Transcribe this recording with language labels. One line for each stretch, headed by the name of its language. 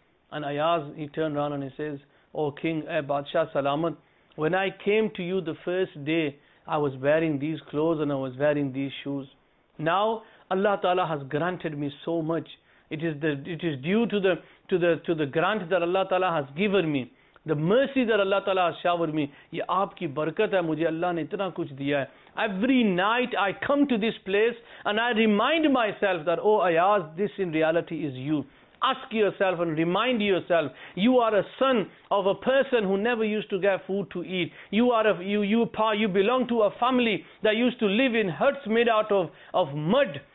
English: And Ayaz, he turned around and he says, Oh King, Badshah Salamat, when I came to you the first day, I was wearing these clothes and I was wearing these shoes. Now, Allah Ta'ala has granted me so much. It is due to the grant that Allah Ta'ala has given me. The mercy that Allah Ta'ala has showered me.
Urdu: یہ آپ کی برکت ہے، مجھے اللہ نے اتنا کچھ دیا ہے۔
English: Every night I come to this place and I remind myself that, oh Ayaz, this in reality is you. Ask yourself and remind yourself, you are a son of a person who never used to get food to eat. You belong to a family that used to live in huts made out of mud.